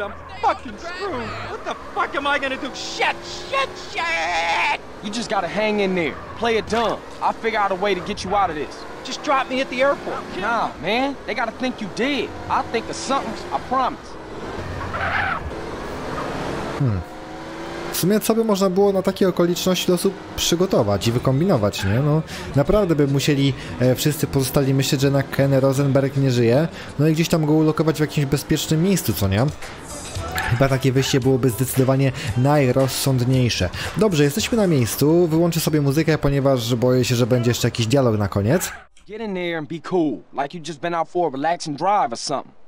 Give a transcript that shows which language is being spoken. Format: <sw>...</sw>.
<en>I'm fucking screwed. What the fuck am I gonna do? Shit! You just gotta hang in there. Play it dumb. I'll figure out a way to get you out of this. Just drop me at the airport. Nah, man. They gotta think you dead. I'll think of something, I promise.</en> <pl>W sumie co by można było na takie okoliczności losu przygotować i wykombinować, nie? No, naprawdę by musieli wszyscy pozostali myśleć, że na Ken Rosenberg nie żyje, no i gdzieś tam go ulokować w jakimś bezpiecznym miejscu, co nie? Chyba takie wyjście byłoby zdecydowanie najrozsądniejsze. Dobrze, jesteśmy na miejscu, wyłączę sobie muzykę, ponieważ boję się, że będzie jeszcze jakiś dialog na koniec.</pl> <en>Get in there and be cool, like you've just been out for a relaxing drive or something.</en>